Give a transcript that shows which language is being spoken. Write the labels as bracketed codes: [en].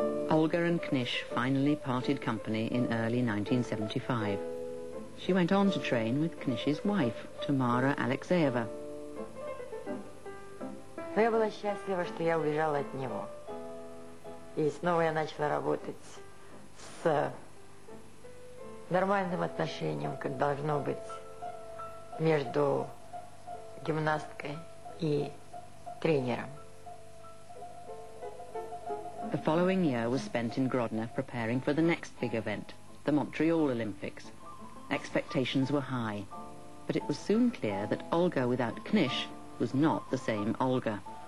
[en] Olga and Knish finally parted company in early 1975. She went on to train with Knish's wife, Tamara Alexeyeva. [ru] Я была счастлива, что я убежала от него. И снова я начала работать с нормальным отношением, как должно быть, между гимнасткой и тренером. [en] The following year was spent in Grodno preparing for the next big event, the Montreal Olympics. Expectations were high, but it was soon clear that Olga without Knish was not the same Olga.